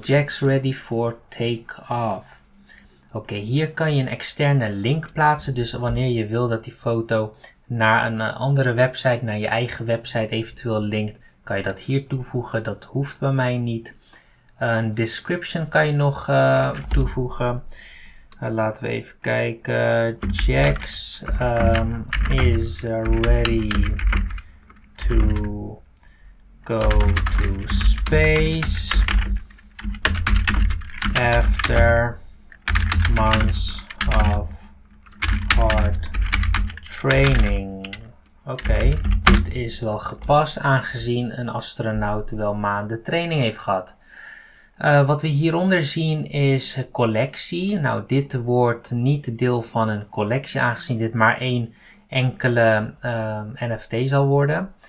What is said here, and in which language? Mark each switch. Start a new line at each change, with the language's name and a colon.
English: Jax ready for takeoff.
Dutch: Oké, hier kan je een externe link plaatsen. Dus wanneer je wil dat die foto naar een andere website, naar je eigen website eventueel linkt, kan je dat hier toevoegen. Dat hoeft bij mij niet. Een description kan je nog toevoegen. Laten we even kijken.
English: Jax is ready to go to space after months of hard training.
Dutch: Oké, dit is wel gepast aangezien een astronaut wel maanden training heeft gehad. Wat we hieronder zien is collectie. Nou, dit wordt niet deel van een collectie aangezien dit maar één enkele NFT zal worden.